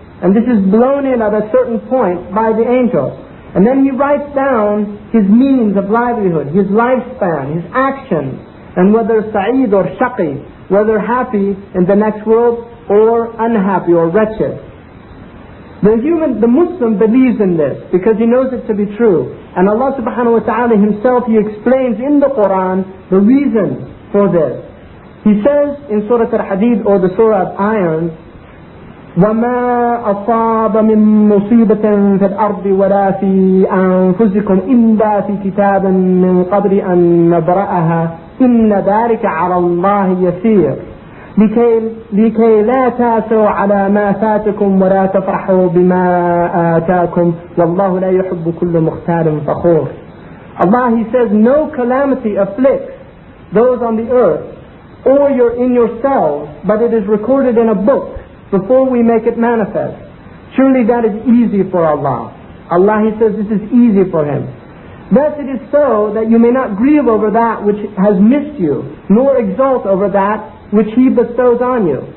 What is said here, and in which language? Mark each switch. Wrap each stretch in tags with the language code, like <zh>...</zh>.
<en>And this is blown in at a certain point by the angel. And then he writes down his means of livelihood, his lifespan, his actions, and whether sa'id or shaqi, whether happy in the next world or unhappy or wretched. The Muslim believes in this because he knows it to be true. And Allah subhanahu wa ta'ala himself, he explains in the Quran the reason for this. He says in Surah Al-Hadid, or the Surah of Iron,</en> <ar>وَمَا أَصَابَ مِن مُصِيبَةٍ فِي الْأَرْضِ وَلَا فِي أَنفُسِكُمْ إِلَّا فِي كِتَابٍ مِّن قَبْلِ أَن نَبْرَأَهَا إِنَّ ذَلِكَ عَلَى اللَّهِ يَسِيرٌ لِكَيْ لَا تَأْسَوْا عَلَى مَا فَاتَكُمْ وَلَا تَفْرَحُوا بِمَا آتَاكُمْ وَاللَّهُ لَا يُحِبُّ كُلَّ مُخْتَالٍ فَخُورٍ.</ar> <en>Allah, he says, no calamity afflicts those on the earth or in yourselves, but it is recorded in a book before we make it manifest. Surely that is easy for Allah. Allah, he says, this is easy for him. Thus it is so that you may not grieve over that which has missed you, nor exult over that which he bestows on you.</en>